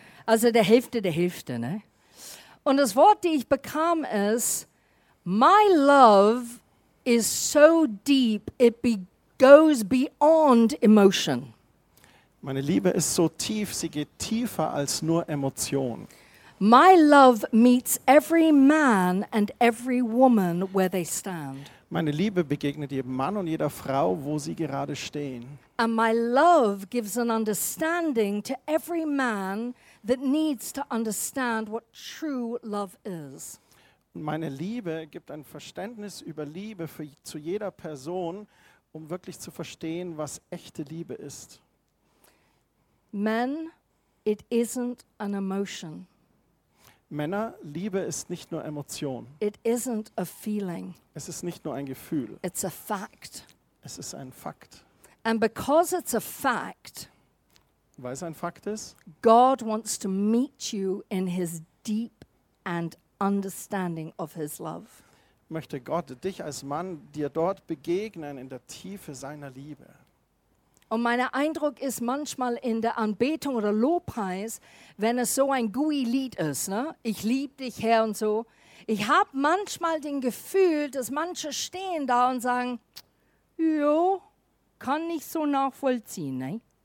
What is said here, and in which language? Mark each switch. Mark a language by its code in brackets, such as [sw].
[de] Also der Hälfte, ne? Und das Wort, das ich bekam, ist: [en] My love is so deep, it goes beyond emotion. [de] Meine Liebe ist so tief, sie geht tiefer als nur Emotion. [en] My love meets every man and every woman where they stand. [de] Meine Liebe begegnet jedem Mann und jeder Frau, wo sie gerade stehen. [en] And my love gives an understanding to every man that needs to understand what true love is. [de] Meine Liebe gibt ein Verständnis über Liebe für, zu jeder Person, um wirklich zu verstehen, was echte Liebe ist. [en] Men, it isn't an emotion. [de] Männer, Liebe ist nicht nur Emotion. [en] It isn't a feeling. [de] Es ist nicht nur ein Gefühl. [en] It's a fact. [de] Es ist ein Fakt. [en] And because it's a fact, [de] weil es ein Fakt ist, [en] God wants to meet you in his deep and understanding of his love. [de] Möchte Gott dich als Mann dir dort begegnen in der Tiefe seiner Liebe. Und mein Eindruck ist manchmal in der Anbetung oder Lobpreis, wenn es so ein GUI-Lied ist, ne? Ich lieb dich, Herr, und so. Ich habe manchmal den Gefühl, dass manche stehen da und sagen, jo, kann nicht so nachvollziehen, ne?